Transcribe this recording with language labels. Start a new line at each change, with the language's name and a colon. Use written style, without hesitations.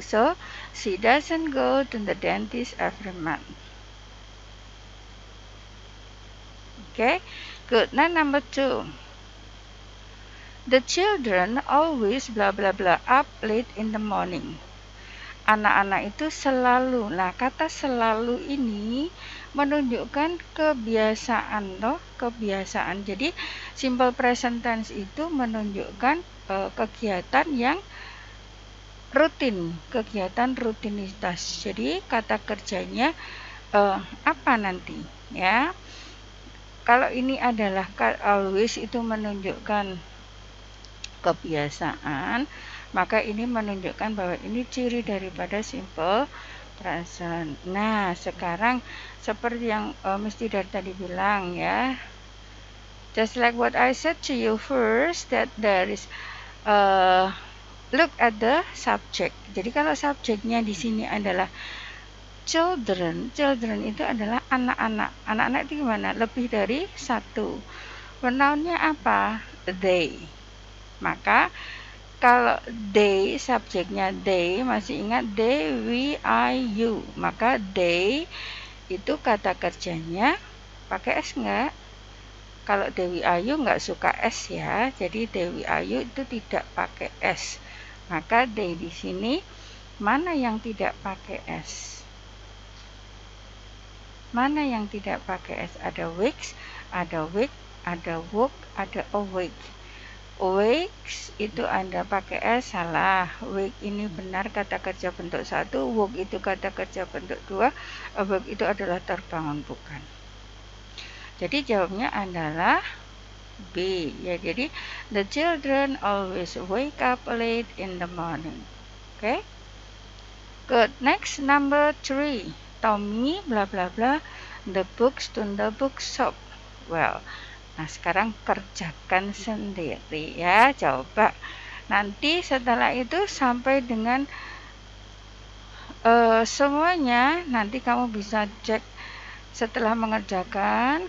English: So, she doesn't go to the dentist every month. Okay, good. Now, number two. The children always blah blah blah up late in the morning.
Indonesian: Anak-anak itu selalu. Nah, kata selalu ini menunjukkan kebiasaan toh, kebiasaan. Jadi, simple present tense itu menunjukkan kegiatan yang rutin, kegiatan rutinitas. Jadi, kata kerjanya apa nanti, ya? Kalau ini adalah always itu menunjukkan kebiasaan, maka ini menunjukkan bahwa ini ciri daripada simple present. Nah, sekarang seperti yang Mr.
English: Dar
Indonesian: tadi bilang ya,
English: just like what I said to you first, that there is look at the subject.
Indonesian: Jadi kalau subjeknya di sini adalah children, children itu adalah anak-anak. Anak-anak itu gimana? Lebih dari satu. Pronounnya apa? They. Maka kalau they, subjeknya they, masih ingat they, we, I, you. Maka they itu kata kerjanya pakai S enggak? Kalau they, we, I, you enggak suka S ya. Jadi they, we, I, you itu tidak pakai S. Maka they di sini mana yang tidak pakai S? Mana yang tidak pakai S? Ada wakes, ada wake, ada woke, ada awake. Wakes itu Anda pakai S, salah. Wake ini benar kata kerja bentuk 1, woke itu kata kerja bentuk 2, awake itu adalah terbangun, bukan. Jadi jawabnya adalah B. Ya, jadi
English: the children always wake up late in the morning. Okay? Good. Next, number 3. Tommy bla bla bla the books to the bookshop.
Indonesian: Well, nah, sekarang kerjakan sendiri ya, coba. Nanti setelah itu sampai dengan semuanya, nanti kamu bisa cek setelah mengerjakan.